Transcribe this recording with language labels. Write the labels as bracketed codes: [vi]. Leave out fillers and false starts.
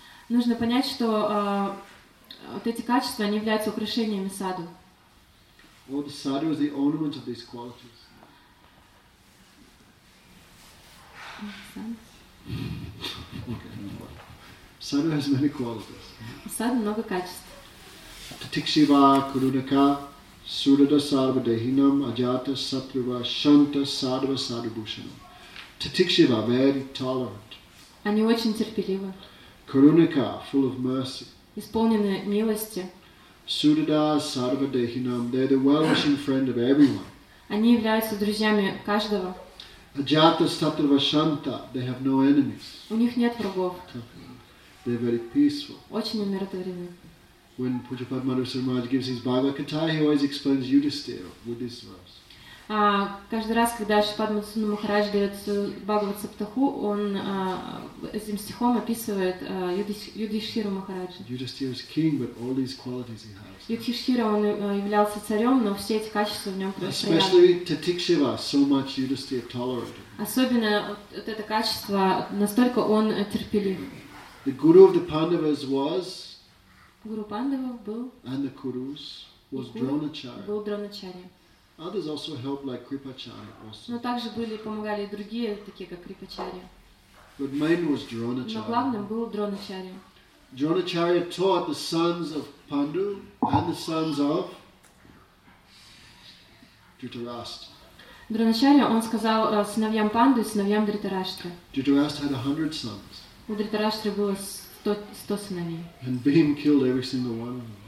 [ru] Нужно понять, что вот эти качества, они являются украшениями саду. [en] Well, the sadhu is the ornament of these qualities. Okay. Sadhu has many qualities. [ru] Саду много качеств. [sa] Titikshiva Kurunaka Surada Sarvadehinam Ajata Satruva Shanta Sadva Sadhubushanam. [en] Titikshiva, very tolerant. [ru] Они очень терпеливы. [en] Kurunaka, full of mercy. [ru] Исполнены милости. [sa] Surada Sarvadehinam, [en] they're the well-wishing friend of everyone. [ru] Они являются друзьями каждого. [sa] Ajata Satruva Shanta, [en] they have no enemies. [ru] У них нет врагов. [en] They're very peaceful. [ru] Очень умиротворены. [en] When Pooja Padmanabha Samaraj gives his Bhagavad Gita, he always explains Yudhisthira with this verse. [ru] Каждый раз, когда Шри Падмасуна Махарадж дает Бхагавад Саптаху, он этим стихом описывает Юдхиштхиру Махараджа. [en] Yudhisthira is king, but all these qualities he has. [ru] Юдхиштхира, он являлся царем, но все эти качества в нем стоят. [en] Especially Titikshiva, so much Yudhisthira tolerated. [ru] Особенно вот это качество, настолько он терпелив. [en] The guru of the Pandavas was [ru] Guru Pandava был, [en] and the Kurus was Dronacharya. [ru] Был Дроначарья. [en] Others also helped like Kripacharya also. [ru] Но также были помогали и другие такие как Крипачарья. [en] But main was Dronacharya. [ru] Но главным был Дроначарья. [en] Dronacharya taught the sons of Pandu and the sons of Dhritarashtra. [ru] Дроначарья он сказал сыновьям Панду и сыновьям Дхритарашты. [en] Dhritarashtra had 100 sons. [ru] У Дхритарашты было 100 сыновей. [en] And Bhim killed every single one of them.